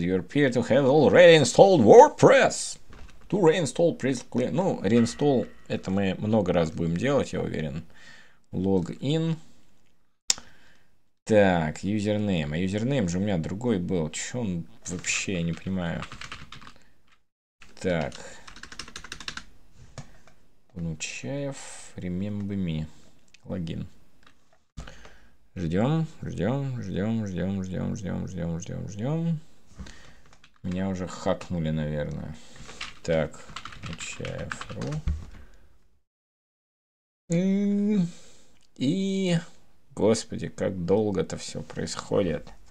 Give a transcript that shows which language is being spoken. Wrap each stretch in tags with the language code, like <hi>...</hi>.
<en>You appear to have already installed WordPress. To reinstall, please clear.</en> <ru>Ну, reinstall, это мы много раз будем делать, я уверен.</ru> <en>Log in.</en> <ru>Так, username. А username же у меня другой был. Чё он вообще, я не понимаю. Так. Нучаев,</ru> <en>remember me.</en> <ru>Логин. Ждем, ждем, ждем, ждем, ждем, ждем, ждем, ждем, ждем. Меня уже хакнули, наверное. Так, Нучаев.ру. И, господи, как долго-то все происходит.</ru>